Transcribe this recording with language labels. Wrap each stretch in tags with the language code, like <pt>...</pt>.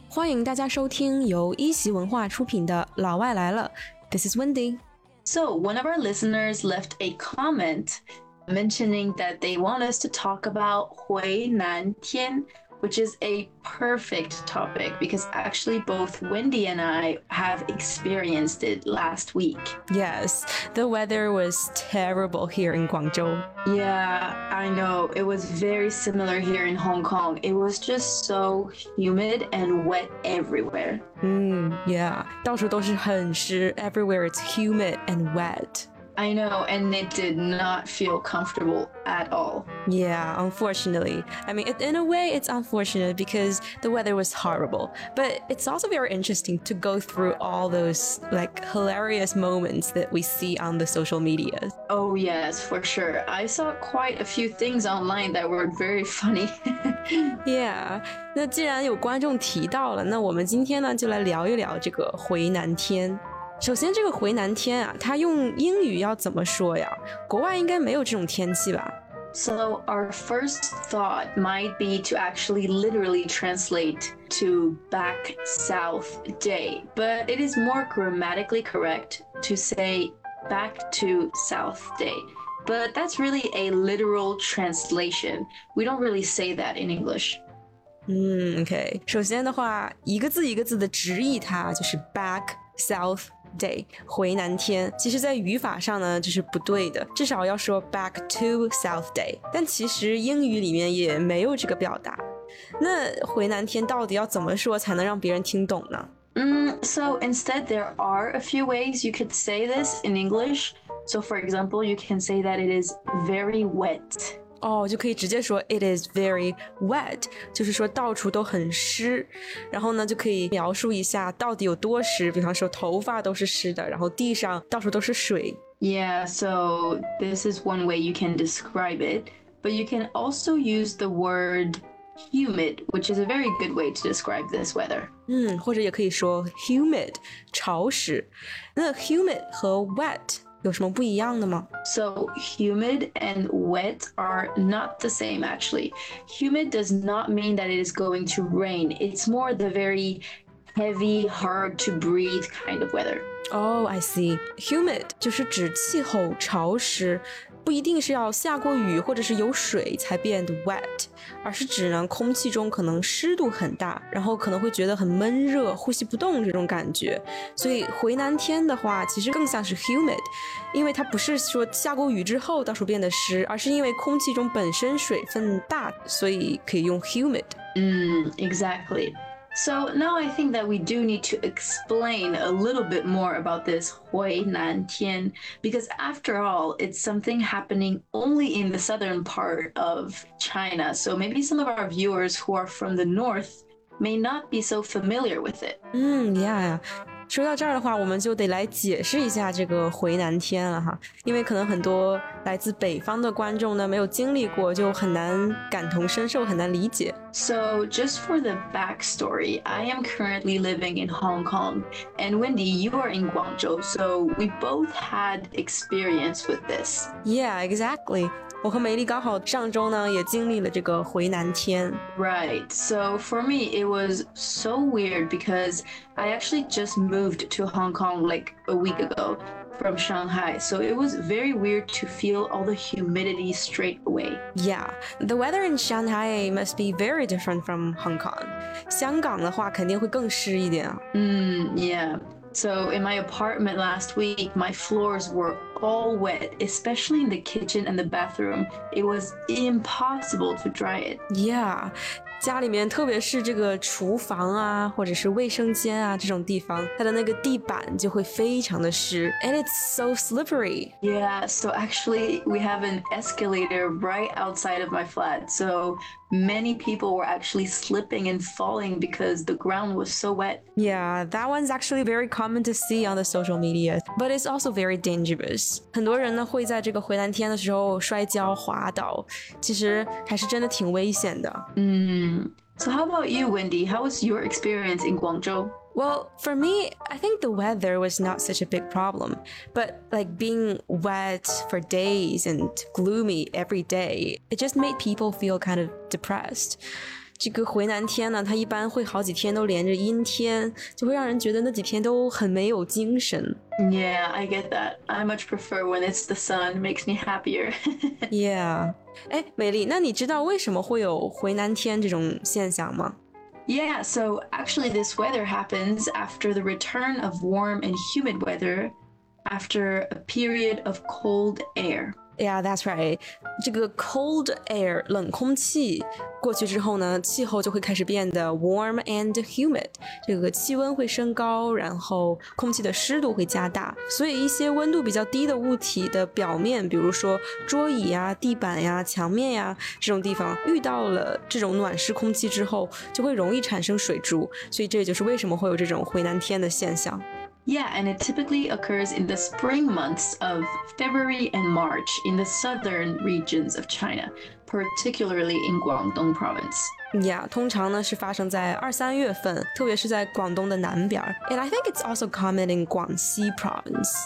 <zh>欢迎大家收听由一席文化出品的《老外来了》。</zh> <en>This is Wendy. So, one of our listeners left a comment mentioning that they want us to talk about 回南天, which is a perfect topic because actually both Wendy and I have experienced it last week. Yes, the weather was terrible here in Guangzhou. Yeah, I know. It was very similar here in Hong Kong. It was just so humid and wet everywhere. Yeah,</en> <zh>到处都是很湿,</zh> <en>everywhere it's humid and wet. I know, and it did not feel comfortable at all. Yeah, unfortunately. I mean, in a way, it's unfortunate because the weather was horrible. But it's also very interesting to go through all those, like, hilarious moments that we see on the social media. Oh, yes, for sure. I saw quite a few things online that were very funny. Yeah.</en> <zh>那既然有观众提到了，那我们今天呢，就来聊一聊这个回南天。首先这个回南天啊，它用英语要怎么说呀？国外应该没有这种天气吧？</zh> <en>So our first thought might be to actually literally translate to back south day. But it is more grammatically correct to say back to south day. But that's really a literal translation. We don't really say that in English. OK.</en> <zh>首先的话，一个字一个字的直译它就是</zh> <en>back south day,</en> <zh>回南天。其实在语法上呢，这是不对的，至少要说</zh> <en>back to south day.</en> <zh>但其实英语里面也没有这个表达。那回南天到底要怎么说才能让别人听懂呢？</zh> <en>So instead, there are a few ways you could say this in English. So for example, you can say that it is very wet.</en> <zh>就可以直接说</zh> <en>it is very wet,</en> <zh>就是说到处都很湿，然后呢就可以描述一下到底有多湿，比方说头发都是湿的，然后地上到处都是水。</zh> <en>Yeah, so this is one way you can describe it, but you can also use the word humid, which is a very good way to describe this weather.</en> <zh>或者也可以说 humid, 潮湿。那 humid 和 wet有什么不一样的吗？</zh> <en>So humid and wet are not the same actually. Humid does not mean that it is going to rain. It's more the very heavy, hard to breathe kind of weather. Oh, I see.</en> <zh>Humid 就是指气候潮湿，不一定是要下过雨或者是有水才变得 wet, 而是指呢空气中可能湿度很大，然后可能会觉得很闷热，呼吸不动这种感觉。所以回南天的话其实更像是 humid, 因为它不是说下过雨之后到处变得湿，而是因为空气中本身水分大，所以可以用 humid.</zh> <en>Exactly. So now I think that we do need to explain a little bit more about this 回南天, because after all, it's something happening only in the southern part of China. So maybe some of our viewers who are from the north may not be so familiar with it. Yeah.</en> <zh>说到这儿的话，我们就得来解释一下这个回南天了哈，因为可能很多来自北方的观众呢没有经历过，就很难感同身受，很难理解。</zh> <en>So just for the backstory, I am currently living in Hong Kong, and Wendy, you are in Guangzhou, so we both had experience with this. Yeah, exactly.</en> <zh>我和梅丽刚好上周呢也经历了这个回南天。</zh> <en>Right, so for me it was so weird because I actually just moved to Hong Kong like a week ago from Shanghai, so it was very weird to feel all the humidity straight away. Yeah, the weather in Shanghai must be very different from Hong Kong.</en> <zh>香港的话肯定会更湿一点。</zh> <en>Yeah. So in my apartment last week, my floors were all wet, especially in the kitchen and the bathroom. It was impossible to dry it.</en> <zh>Yeah, 家里面特别是这个厨房啊，或者是卫生间啊，这种地方，它的那个地板就会非常的湿。</zh> <en>And it's so slippery. Yeah, so actually we have an escalator right outside of my flat. So many people were actually slipping and falling because the ground was so wet. Yeah, that one's actually very common to see on the social media, but it's also very dangerous.</en> <zh>很多人呢会在这个回南天的时候摔跤滑倒，其实还是真的挺危险的。</zh> <en>So how about you, Wendy? How was your experience in Guangzhou? Well, for me, I think the weather was not such a big problem. But like being wet for days and gloomy every day, it just made people feel kind of depressed.</en> <zh>这个回南天呢，它一般会好几天都连着阴天，就会让人觉得那几天都很没有精神。</zh> <en>Yeah, I get that. I much prefer when it's the sun, makes me happier. Yeah.</en> <zh>哎，美丽，那你知道为什么会有回南天这种现象吗？</zh> <en>Yeah, so actually this weather happens after the return of warm and humid weather after a period of cold air. Yeah, that's right.</en> <zh>这个</zh> <en>cold air,</en> <zh>冷空气过去之后呢，气候就会开始变得</zh> <en>warm and humid.</en> <zh>这个气温会升高，然后空气的湿度会加大。所以一些温度比较低的物体的表面，比如说桌椅啊、地板啊、墙面啊，这种地方遇到了这种暖湿空气之后，就会容易产生水珠。所以这就是为什么会有这种回南天的现象。</zh> <en>Yeah, and it typically occurs in the spring months of February and March in the southern regions of China, particularly in Guangdong province.</en> <zh>Yeah, 通常呢是发生在二三月份，特别是在广东的南边。</zh> <en>And I think it's also common in Guangxi province.</en>